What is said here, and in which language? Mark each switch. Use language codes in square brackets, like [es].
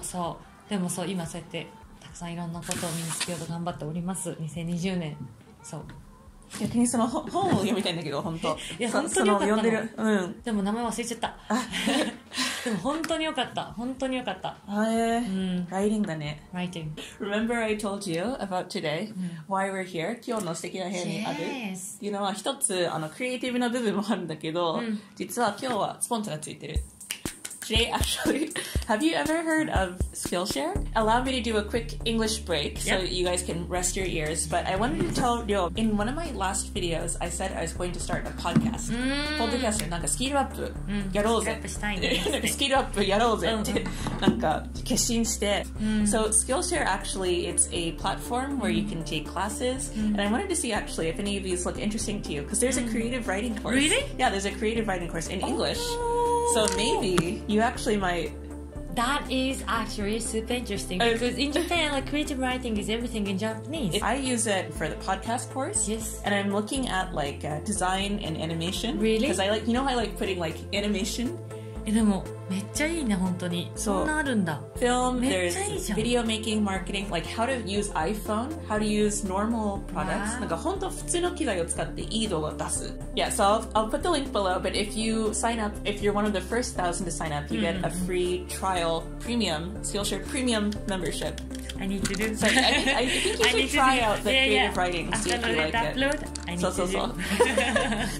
[ja] そう、でもそう、今そうやってたくさんいろんなことを身につけようと頑張っております。 2020年。そう、逆にその本を読みたいんだけど本当。いや本当に良かったの、読んでる、うん、でも名前忘れちゃった。でも本当に良かった、本当に良かった。 Writing だね。 [en] Writing. Remember I told you about today、うん、why we're here? [ja] 今日の素敵な部屋にある、 [en] yes. [ja] っていうのは、一つあのクリエイティブな部分もあるんだけど、うん、実は今日はスポンサーがついてる。 [en] Today, actually, have you ever heard of Skillshare? Allow me to do a quick English break、yep. so you guys can rest your ears. But I wanted to tell Ryo, in one of my last videos, I said I was going to start a podcast. [ja] Podcaster, なんかスキルアップやろうぜ。スキルアップやろうぜって、なんか決心して。 [en] So Skillshare, actually, it's a platform where you can take classes.、Mm. And I wanted to see, actually, if any of these look interesting to you. Because there's a creative writing course. Really? Yeah, there's a creative writing course in English.、 Oh. So maybe you actually might. That is actually super interesting, because in Japan, like, creative writing is everything in Japanese. I use it for the podcast course. Yes. And I'm looking at like、design and animation. Really? Because I like, you know, I like putting like animation. [ja] え、でもめっちゃいいね、本当に。そんなあるんだ。 [en] Film, there's video making, marketing, like how to use iPhone, how to use normal products. [ja] なんか本当普通の機材を使っていい動画を出す。 [en] Yeah, so I'll put the link below, but if you sign up, if you're one of the first 1,000 to sign up, you get a free trial premium, Skillshare premium membership. I need to do so. I think you should try out the creative writing and see if you like upload, it. I need to do. So.